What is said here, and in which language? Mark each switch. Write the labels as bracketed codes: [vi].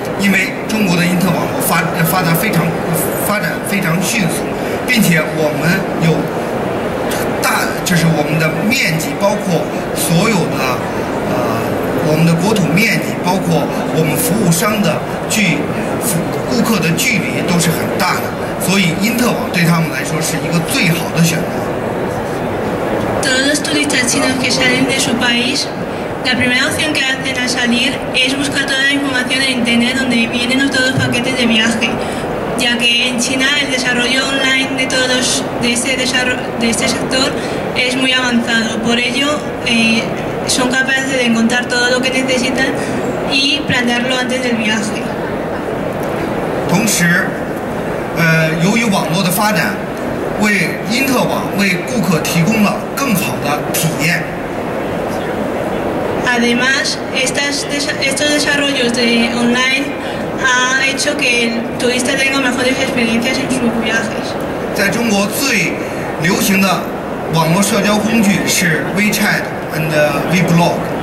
[zh] 因为中国的因特网发展非常迅速，并且我们有大，就是我们的面积，包括所有的我们的国土面积，包括我们服务商的距顾客的距离都是很大的，所以因特网对他们来说是一个最好的选择。 [es] Todos los turistas chinos que salen de su país, la primera opción que hacen al salir es buscar toda la información en internet, donde vienen todos los paquetes de viaje, ya que en China el desarrollo online de todos de este sector es muy avanzado. Por ello, son capaces de encontrar todo lo que necesitan y planearlo antes del viaje. [zh] 同时，由于网络的发展，为因特网为顾客提供了更好的体验。 [es] Además, estos desarrollos de online ha hecho que el turista tenga mejores experiencias en sus viajes. [zh] 在中国最流行的网络社交工具是 [en] WeChat and Weblog.